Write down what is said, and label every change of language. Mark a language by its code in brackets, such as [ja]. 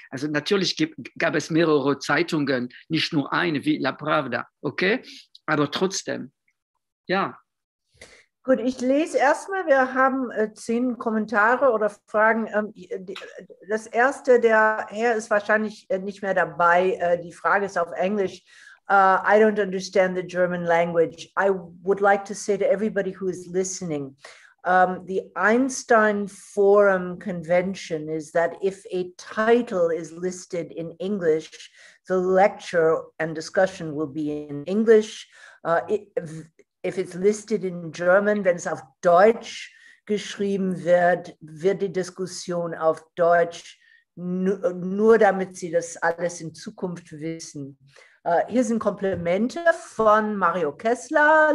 [de] Also natürlich gab es mehrere Zeitungen, nicht nur eine, wie La Pravda, okay? Aber trotzdem, ja. Gut, ich lese erstmal, wir haben 10 Kommentare oder Fragen. Das erste, der Herr ist wahrscheinlich nicht mehr dabei. Die Frage ist auf Englisch. [en] I don't understand the German language. I would like to say to everybody who is listening, the Einstein Forum convention is that if a title is listed in English, the lecture and discussion will be in English. If it's listed in German, [de] wenn es auf Deutsch geschrieben wird, wird die Diskussion auf Deutsch, nur damit Sie das alles in Zukunft wissen. Hier sind Komplimente von Mario Kessler.